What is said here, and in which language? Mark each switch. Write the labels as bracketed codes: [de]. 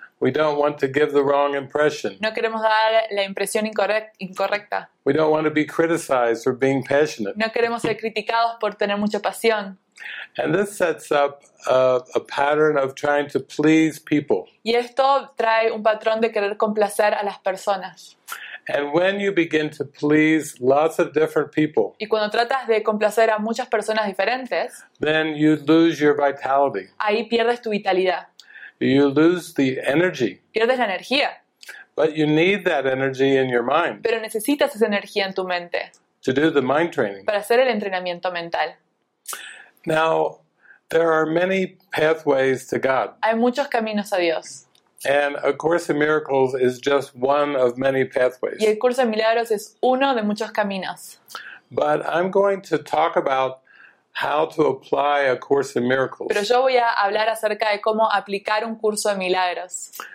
[en] We don't want to give the wrong impression. [es] No queremos dar la impresión incorrecta. [en] We don't want to be criticized for being passionate. [es] No queremos ser criticados por tener mucha pasión. [en] And this sets up a pattern of trying to please people. [es] Y esto trae un patrón de querer complacer a las personas. [en] And when you begin to please lots of different people, [es] y cuando tratas de complacer a muchas personas diferentes, [en] then you lose your vitality. [es] Ahí pierdes tu vitalidad. [en] You lose the energy. [es] Pierdes la energía. [en] But you need that energy in your mind. [es] Pero necesitas esa energía en tu mente. [en] To do the mind training. [es] Para hacer el entrenamiento mental. [en] Now, there are many pathways to God. [es] Hay muchos caminos a Dios. [en] And A Course in Miracles is just one of many pathways. [es] Y el curso de milagros es uno de muchos caminos. [en] But I'm going to talk about how to apply A Course in Miracles. [es] Pero yo voy a hablar acerca de cómo aplicar un curso de milagros.